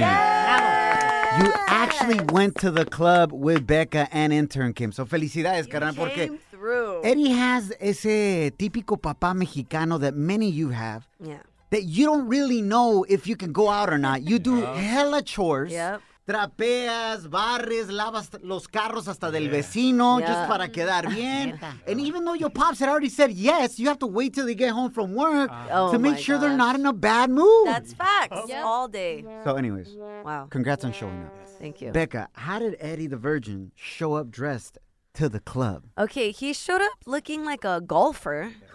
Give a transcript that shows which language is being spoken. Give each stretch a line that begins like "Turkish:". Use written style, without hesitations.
English: Yes! You actually went to the club with Becca and intern Kim.
Spanish: So, felicidades, carnal, porque
English: through. Eddie has
Spanish: ese típico papá mexicano
English: that many of you have. Yeah. That you don't really know if you can go out or not. You do hella chores. Yep.
Spanish: Trapeas, barres, lavas los carros hasta del vecino just para quedar bien.
English: And even though your pops had already said yes, you have to wait till they get home from work to make sure they're not in a bad mood. That's facts. Yep. All day. So anyways, congrats on showing up. Thank you. Becca, how did Eddie the Virgin show up dressed to the club? Okay, he showed up looking like a golfer.